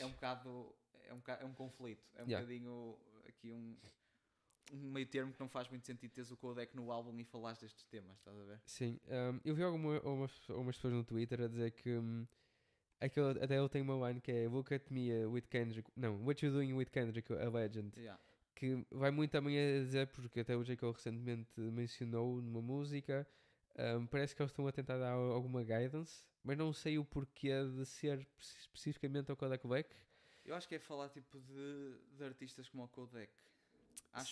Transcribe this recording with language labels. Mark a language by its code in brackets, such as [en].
[pt] é um conflito, é um bocadinho aqui um meio termo que não faz muito sentido teres o codec no álbum e falares destes temas, estás a ver? Sim, eu vi algumas pessoas no Twitter a dizer que até ele tem uma line que é [en] Look at me with Kendrick. [pt] Não, [en] What you doing with Kendrick, a legend. [pt] Que vai muito também a dizer, porque até o J. Cole recentemente mencionou numa música. Parece que eles estão a tentar dar alguma guidance, mas não sei o porquê de ser especificamente ao Kodak Black. Eu acho que é falar tipo de artistas como o Kodak, acho